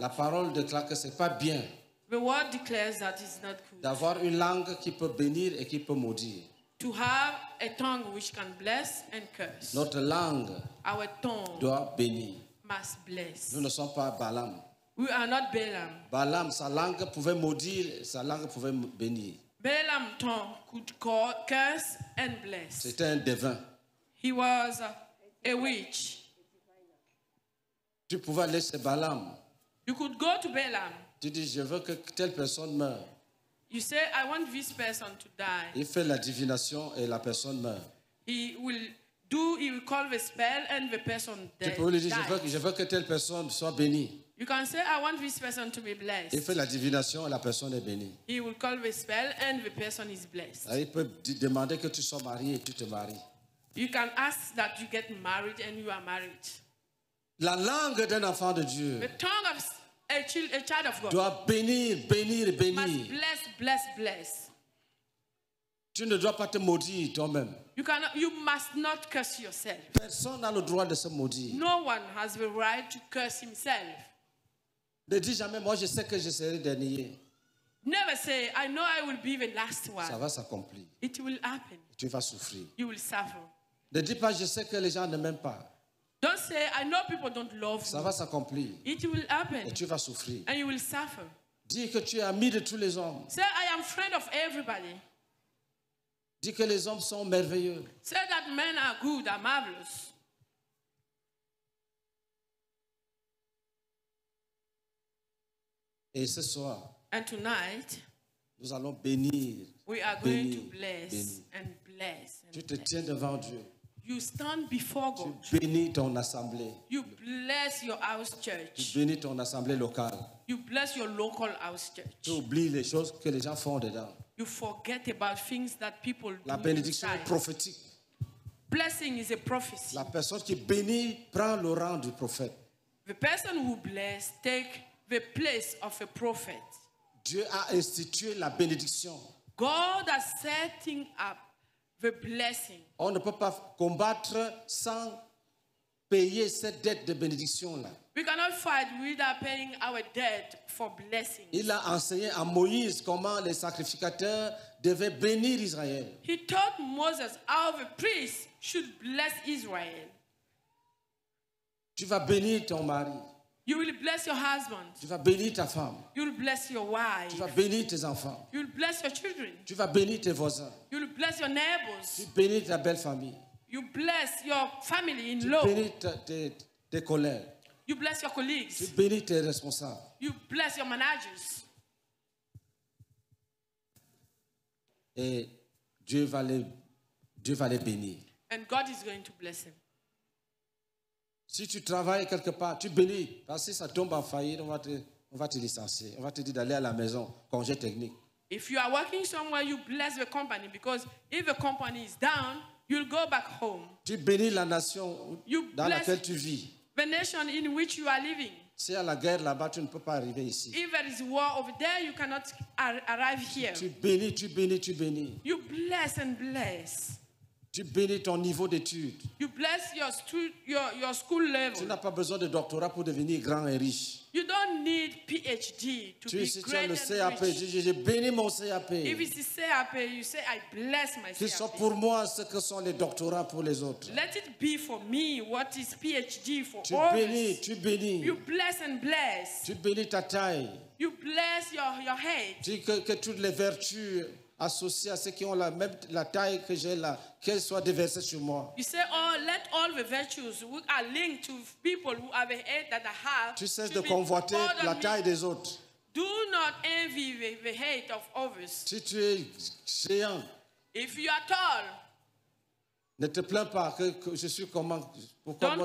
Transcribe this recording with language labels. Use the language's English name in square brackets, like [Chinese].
[French] la parole déclare que ce n'est pas bien [English] the word declares that it's not good. [French] D'avoir une langue qui peut bénir et qui peut maudire. [English] To have a tongue which can bless and curse. [French] Notre langue [English] our tongue [French] doit bénir. [English] Must bless. [French] Nous ne sommes pas Balaam. [English] We are not Balaam. [French] Balaam, sa langue pouvait maudire, sa langue pouvait bénir. [English] Balaam's tongue could curse and bless. [French] C'était un devin. [English] He was a witch. [French] Tu pouvais aller chez Balaam. [English] You could go to Balaam. [French] Tu dis, je veux que telle personne meure. [English] You say, I want this person to die. [French] Il fait la divination et la personne meurt. [English] He will call the spell and the person dies. [French] Tu peux lui dire, je veux que telle personne soit bénie. [English] You can say, I want this person to be blessed. [French] Il fait la divination et la personne est bénie. [English] He will call the spell and the person is blessed. [French] Alors, il peut demander que tu sois marié et tu te maries. [English] You can ask that you get married and you are married. [French] La langue d'un enfant de Dieu. [English] The tongue of a child of God. [French] Doit bénir, bénir, bénir. [English] Must bless, bless, bless. [French] Tu ne dois pas te maudire toi-même. [English] You must not curse yourself. [French] Personne n'a le droit de se maudire. [English] No one has the right to curse himself. [French] Ne dis jamais, moi je sais que je serai dernier. [English] Never say, I know I will be the last one. [French] Ça va s'accomplir. [English] It will happen. [French] Tu vas souffrir. [English] You will suffer. [French] Ne dis pas, je sais que les gens ne m'aiment pas. [English] Don't say, I know people don't love [French] ça me. Va s'accomplir. [English] It will happen. [French] Et tu vas souffrir. [English] And you will suffer. [French] Dis que tu es ami de tous les hommes. [English] Say, I am friend of everybody. [French] Dis que les hommes sont merveilleux. [English] Say that men are good, are marvelous. [French] Et ce soir, [English] and tonight, [French] nous allons bénir. [English] We are going to bless and bless. [French] Tu te tiens devant Dieu. [English] You stand before God. [French] Tu bénis ton assemblée. [English] You bless your house church. [French] Tu bénis ton assemblée locale. [English] You bless your local house church. [French] Tu oublies les choses que les gens font dedans. [English] You forget about things that people [French] la [English] do [French] bénédiction [English] inside. [French] Est prophétique. [English] Blessing is a prophecy. [French] La personne qui bénit prend le rang du prophète. [English] The person who bless take the place of a prophet. [French] Dieu a institué la bénédiction. [English] God has setting up the blessing. [French] On ne peut pas combattre sans payer cette dette de bénédiction là. [English] We cannot fight without paying our debt for blessing. [French] Il a enseigné à Moïse comment les sacrificateurs devaient bénir Israël. [English] He taught Moses how the priests should bless Israel. [French] Tu vas bénir ton mari. [English] You will bless your husband. [French] Tu vas bénir ta femme. [English] You will bless your wife. [French] Tu vas bénir tes enfants. [English] You will bless your children. [French] Tu vas bénir tes voisins. [English] You will bless your neighbors. [French] Tu bénis ta belle famille. [English] You bless your family in law. [French] Tu bénis tes collègues. [English] You bless your colleagues. [French] Tu bénis tes responsables. [English] You bless your managers. [French] Et Dieu va les bénir. [English] And God is going to bless him. [French] Si tu travailles quelque part, tu bénis. Parce que ça tombe en faillite, on va te licencier. On va te dire d'aller à la maison, congé technique. [English] If you are working somewhere, you bless the company because if the company is down, you'll go back home. [French] Tu bénis la nation dans laquelle tu vis. [English] The nation in which you are living. [French] Si il y a la guerre là-bas, tu ne peux pas arriver ici. [English] If there is war over there, you cannot arrive here. [French] Tu bénis. [English] You bless and bless. [French] Tu bénis ton niveau d'études. [English] You bless your school level. [French] Tu n'as pas besoin de doctorat pour devenir grand et riche. [English] You don't need PhD to be great and rich. [French] Si tu as le CAP, je bénis mon CAP. [English] If it's a CAP, you say I bless my CAP. [French] Que soit pour moi ce que sont les doctorats pour les autres. [English] Let it be for me what is PhD for others. [French] Tu bénis. [English] You bless and bless. [French] Tu bénis ta taille. [English] You bless your head. [French] Tu dis que toutes les vertus associé à ceux qui ont la taille que j'ai là, qu'elle soit déversée sur moi. [English] You say, oh, let all the virtues who are linked to people who have the head that I have. [French] Tu cesses de convoiter la taille des autres. [English] Do not envy the height of others. [French] Si tu es géant. [English] If you are tall. [French] Ne te plains pas que je suis comment, pourquoi